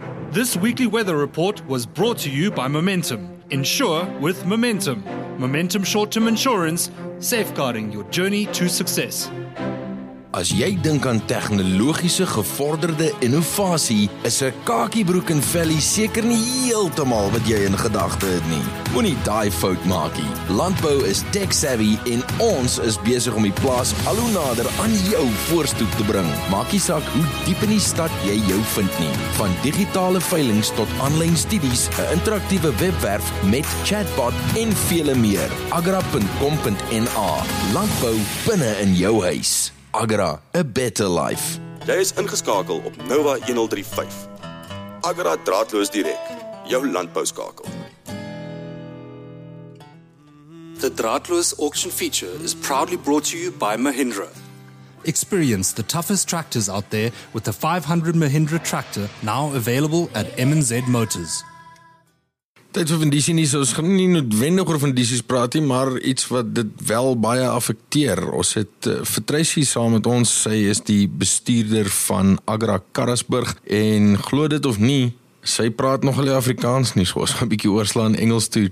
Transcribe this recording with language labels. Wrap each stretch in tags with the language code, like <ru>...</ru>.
<en>This weekly weather report was brought to you by Momentum. Insure with Momentum. Momentum short-term insurance, safeguarding your journey to success.</en> <af>As jy dink aan tegnologiese gevorderde innovasie, is 'n kakiebroek en velly seker nie heeltemal wat jy in gedagte het nie. Moenie daai fout maak nie. Landbou is tech-savvy en ons is besig om die plaas al hoe nader aan jou voorstoep te bring. Maak nie saak hoe diep in die stad jy jou vind nie. Van digitale veilings tot aanlyn studies, 'n interaktiewe webwerf met chatbot en vele meer. agra.com.na. Landbou binne in jou huis.</af> <en>Agra, a better life.</en> <af>Jy is ingeskakel op Nova 1035. Agra draadloos direk, jou landbouskakel.</af> <en>The draadloos auction feature is proudly brought to you by Mahindra. Experience the toughest tractors out there with the 500 Mahindra tractor now available at M&Z Motors.</en> <af>Tyd vir vindiesie nie, so ons gaan nie noodwendig oor vindiesies praat nie, maar iets wat dit wel baie affekteer. Ons het vir Tracy saam met ons, sy is die bestuurder van Agra Karasburg, en glo dit of nie, sy praat nogal die Afrikaans nie, so ons gaan 'n bietjie oorslaan Engels toe.</af>